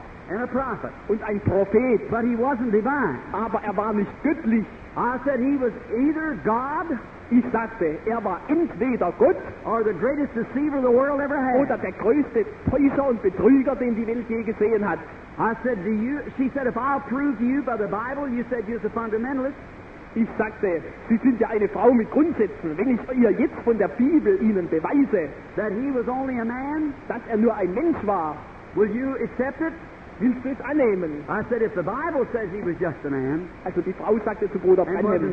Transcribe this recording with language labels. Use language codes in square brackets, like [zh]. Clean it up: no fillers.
[en] And a prophet. [de] Und ein Prophet. [en] But he wasn't divine. [de] Aber er war nicht göttlich. [en] I said he was either God. [de] Ich sagte, war entweder Gott, [en] or the greatest deceiver the world ever had. [de] Oder der größte Täuscher und Betrüger, den die Welt je gesehen hat. [en] I said, do you? She said, if I'll prove you by the Bible, you said you're a fundamentalist. [de] Ich sagte, Sie sind ja eine Frau mit Grundsätzen. Wenn ich ihr jetzt von der Bibel Ihnen beweise, [en] that he was only a man, [de] dass nur ein Mensch war, [en] will you accept it? [de] Willst du es annehmen? [en] I said, if the Bible says he was just a man, [de] also die Frau sagte zu Bruder Branham,